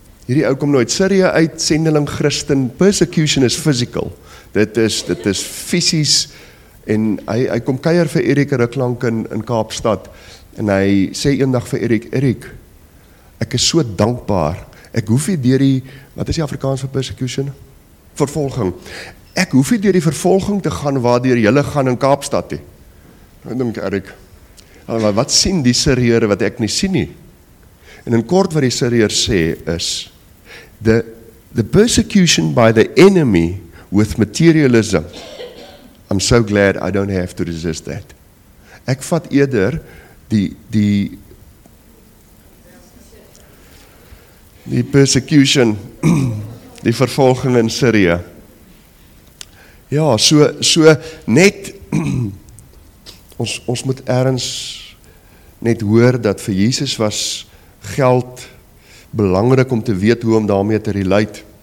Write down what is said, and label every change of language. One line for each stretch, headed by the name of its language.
Afrikaans: Hierdie ou kom nou uit Syrië uit, sendeling Christen,
English: persecution is physical,
Afrikaans: dit is fysies, en hy kom keier vir Eric Ruklank in Kaapstad, en hy sê eendag vir Eric, ek is so dankbaar, ek hoef nie deur die, wat is die Afrikaans vir persecution? Vervolging. Ek hoef nie deur die vervolging te gaan waardeur julle gaan in Kaapstad te. Nou dink Eric, wat sien die Syriërs wat ek nie sien nie? En in kort wat die Syriërs sê is,
English: the persecution by the enemy with materialism, I'm so glad I don't have to resist that.
Afrikaans: Ek vat eerder die persecution, die vervolging in Syrië. Ja, so net, ons moet ergens net hoor dat vir Jesus was geld belangrik om te weet hoe om daarmee te relate.